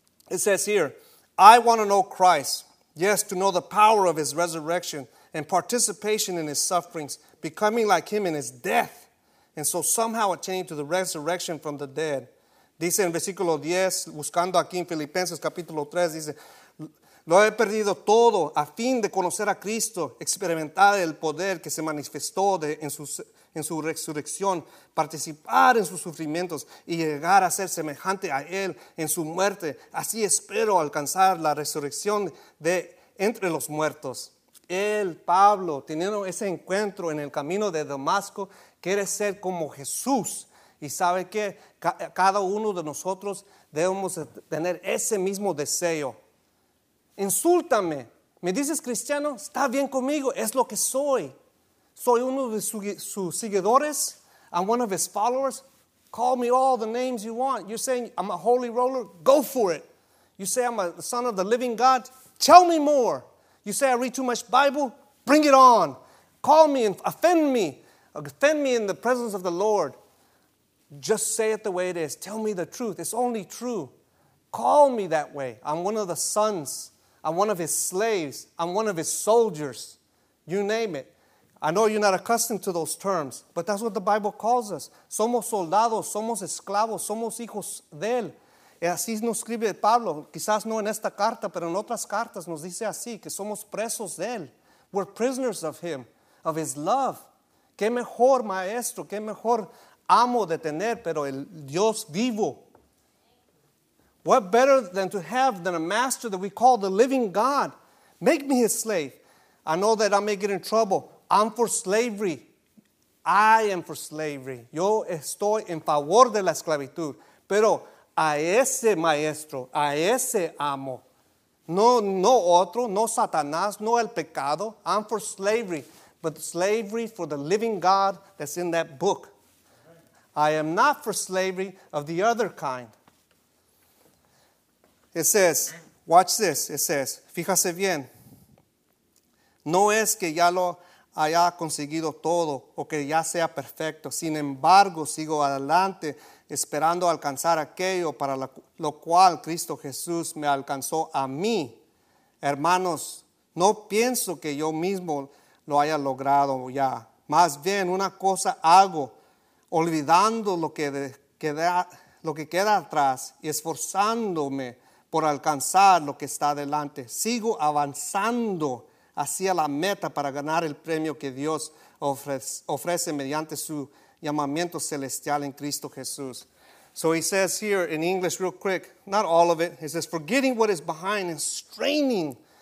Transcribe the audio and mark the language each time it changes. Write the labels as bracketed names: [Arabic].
[English] It says here, I want to know Christ. Yes, to know the power of his resurrection and participation in his sufferings, becoming like him in his death, and so somehow attaining to the resurrection from the dead. [Spanish] Dice en versículo 10, buscando aquí en Filipenses capítulo 3, dice, lo he perdido todo a fin de conocer a Cristo, experimentar el poder que se manifestó en su resurrección, participar en sus sufrimientos y llegar a ser semejante a Él en su muerte. Así espero alcanzar la resurrección de entre los muertos. Él, Pablo, teniendo ese encuentro en el camino de Damasco, quiere ser como Jesús. Y sabe que cada uno de nosotros debemos tener ese mismo deseo. Insúltame, me dices cristiano, está bien conmigo, es lo que soy. Soy uno de sus seguidores, [English] I'm one of his followers. Call me all the names you want. You're saying I'm a holy roller, go for it. You say I'm a son of the living God, tell me more. You say I read too much Bible, bring it on. Call me and offend me. Offend me in the presence of the Lord. Just say it the way it is. Tell me the truth, it's only true. Call me that way. I'm one of the sons. I'm one of his slaves. I'm one of his soldiers. You name it. I know you're not accustomed to those terms, but that's what the Bible calls us. [Spanish] Somos soldados, somos esclavos, somos hijos de él. Y así nos escribe Pablo. Quizás no en esta carta, pero en otras cartas nos dice así, que somos presos de él. [English] We're prisoners of him, of his love. [Spanish] Qué mejor maestro, qué mejor amo de tener, pero el Dios vivo. [English] What better than to have than a master that we call the living God? Make me his slave. I know that I may get in trouble. I'm for slavery. I am for slavery. [Spanish] Yo estoy en favor de la esclavitud. Pero a ese maestro, a ese amo, no otro, no Satanás, no el pecado. [English] I'm for slavery, but slavery for the living God that's in that book. I am not for slavery of the other kind. It says, watch this, it says, [Spanish] fíjase bien. No es que ya lo haya conseguido todo o que ya sea perfecto. Sin embargo, sigo adelante esperando alcanzar aquello para lo cual Cristo Jesús me alcanzó a mí. Hermanos, no pienso que yo mismo lo haya logrado ya. Más bien, una cosa hago, olvidando lo que queda atrás y esforzándome por alcanzar lo que está adelante. Sigo avanzando hacia la meta para ganar el premio que Dios ofrece mediante su llamamiento celestial en Cristo Jesús. [English] So he says here in English real quick, not all of it. He says, forgetting what is behind and straining.